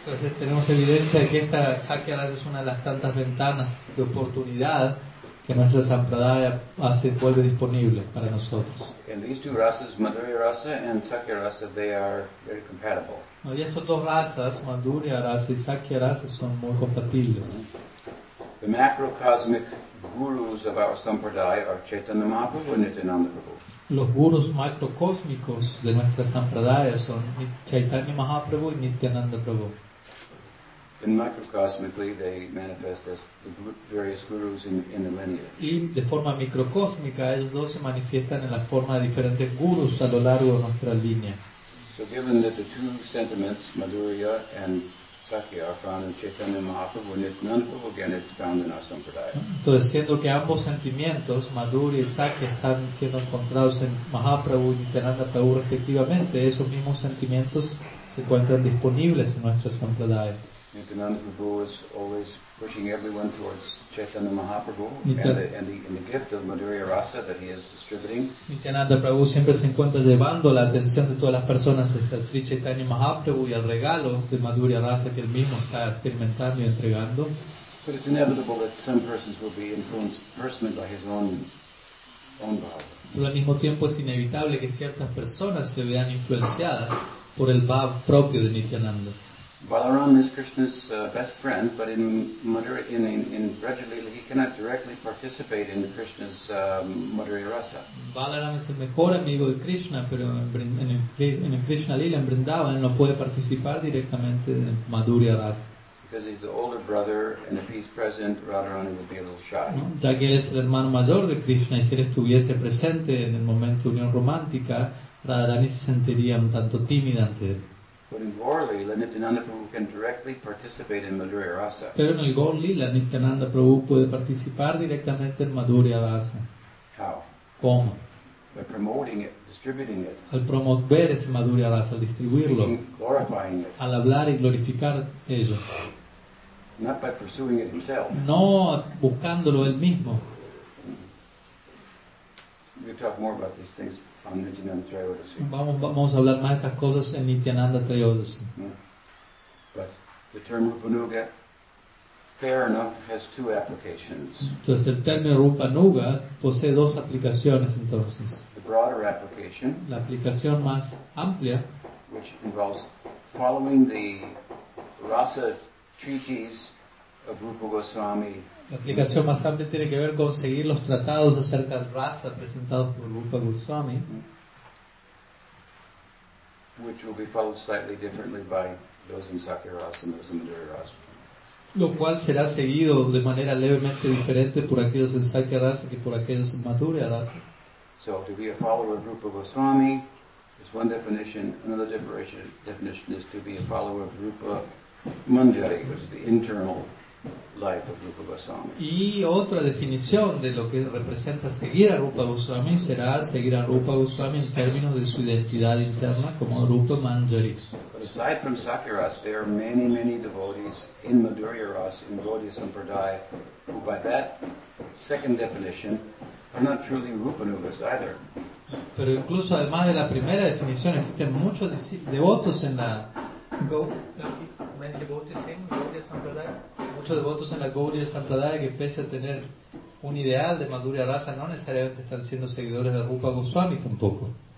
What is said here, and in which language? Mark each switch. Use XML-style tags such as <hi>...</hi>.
<es>Entonces tenemos evidencia de que esta Sakyarasa es una de las tantas ventanas de oportunidad que nuestra Sampradaya hace vuelve disponible para nosotros.</es> <en>And these two rasas, Madhurya Rasa and Sakyarasa, they are very compatible.</en> <es>No, y estas dos razas, Madhurya Rasa y Sakyarasa, son muy compatibles.</es> <en>The macrocosmic gurus of our Sampradaya are Chaitanya Mahaprabhu and Nityananda Prabhu.</en> <es>Los gurus macrocósmicos de nuestra Sampradaya son Chaitanya Mahaprabhu y Nityananda Prabhu.</es> <en>And microcosmically they manifest as the various gurus in the lineage.</en> <es>Y de forma microcósmica ellos dos se manifiestan en la forma de diferentes gurus a lo largo de nuestra línea.</es> <en>So given that the two sentiments, Madhurya and Sakya, are found in Chaitanya Mahaprabhu and Nityananda Prabhu, again it's found in our Sampradaya.</en> <es>Entonces, siendo que ambos sentimientos, Madhurya y Sakya, están siendo encontrados en Mahaprabhu y Nityananda Prabhu respectivamente, esos mismos sentimientos se encuentran disponibles en nuestra Sampradaya.</es> <en>Nityananda Prabhu is always pushing everyone towards Chaitanya Mahaprabhu and the gift of Madhurya Rasa that he is distributing.</en> <es>Nityananda Prabhu siempre se encuentra llevando la atención de todas las personas hacia Sri Chaitanya Mahaprabhu y el regalo de Madhurya Rasa que él mismo está experimentando y entregando.</es> <en>But it's inevitable that some persons will be influenced personally by his own bhava.</en> <es>Pero al mismo tiempo es inevitable que ciertas personas se vean influenciadas por el bhava propio de Nityananda.</es> <en>Balaram is Krishna's best friend, but in Madhurya, in Brajalila, he cannot directly participate in Krishna's Madhurya Rasa.</en> <es>Balaram es el mejor amigo de Krishna, pero en Krishna Lila, en Vrindavan, no puede participar directamente en Madhurya Rasa.</es> <en>Because he's the older brother, and if he's present, Radharani would be a little shy. No,</en> <es>ya que él es el hermano mayor de Krishna, y si él estuviese presente en el momento de unión romántica, Radharani se sentiría un tanto tímida ante él.</es> <en>But in Gaur Lila, Nityananda Prabhu can directly participate in Madhurya Rasa.</en> <es>Pero en el Gaur Lila, Nityananda Prabhu puede participar directamente en Madhurya Rasa.</es> <en>How?</en> <es>¿Cómo?</es> <en>By promoting it, distributing it.</en> <es>Al promover ese Madhurya Rasa, distribuirlo.</es> <en>Speaking, glorifying it.</en> <es>Al hablar y glorificar ello.</es> <en>Not by pursuing it himself.</en> <es>No buscándolo él mismo.</es> <en>We'll talk more about these things.</en> <es>Vamos a hablar más de estas cosas en Nityananda Trayodasi.</es> <en>But the term Rupanuga, fair enough, has two applications.</en> <es>Entonces el término Rupanuga posee dos aplicaciones entonces.</es> <en>The broader application,</en> <es>la aplicación más amplia,</es> <en>which involves following the rasa treaties of Rupa Goswami.</en> <es>La aplicación más amplia tiene que ver con seguir los tratados acerca de raza presentados por Rupa Goswami.</es> <en>Which will be followed slightly differently by those in Sakyarasa and those in Madhurya Rasa.</en> <es>Lo cual será seguido de manera levemente diferente por aquellos en Sakyarasa que por aquellos en Madhurya Rasa.</es> <en>So to be a follower of Rupa Goswami is one definition. Another definition is to be a follower of Rupa Manjari, which is the internal life of Rupa Goswami.</en> <es>Y otra definición de lo que representa seguir a Rupa Goswami será seguir a Rupa Goswami en términos de su identidad interna como Rupa Manjari.</es> <en>But aside from Sakyaras, there are many, many devotees in Madhurya Ras, in Gaudiya Sampradaya, who by that second definition are not truly Rupanugas either.</en> <es>Pero incluso además de la primera definición existen muchos devotos en la Gaudiya Sampradaya que pese a tener un ideal de Madhurya Rasa no necesariamente están siendo seguidores de Rupa Goswami tampoco.</es>